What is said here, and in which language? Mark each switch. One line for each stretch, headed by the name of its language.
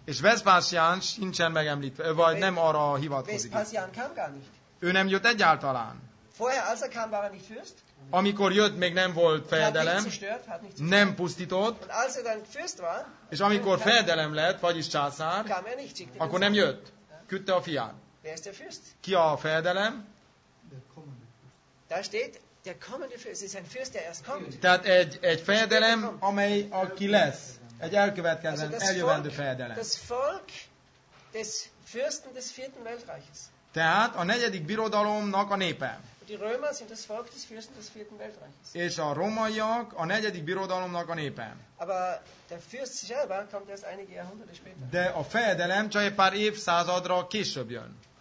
Hungarian: És Vespasian sincsen megemlítve, vagy nem arra hivatkozik.
German: Vespasian kam gar nicht.
Hungarian: Ő nem jött egyáltalán.
German: Vorher als er kam, war er nicht Fürst.
Hungarian: Amikor jött, még nem volt fejedelem, nem pusztított, és amikor fejedelem lett, vagyis császár, akkor nem jött, küldte a fiát.
German: Wer ist der Fürst?
Hungarian: Ki a fejedelem?
German: Der kommende Fürst. Da steht, der kommende Fürst. Es ist ein Fürst, der erst kommt.
Hungarian: Tehát egy fejedelem, amely aki lesz. Egy elkövetkező, eljövendő fejedelem.
German: Das Volk des Fürsten des vierten Weltreiches.
Hungarian: Tehát a negyedik birodalomnak a népe.
German: Die Römer sind das Volk des Fürsten des vierten Weltreiches.
Hungarian: És a romaiak a negyedik birodalomnak a népe.
German: Aber der Fürst selber kommt erst einige Jahrhunderte später.
Hungarian: De a fejedelem csak egy pár évszázadra később jön.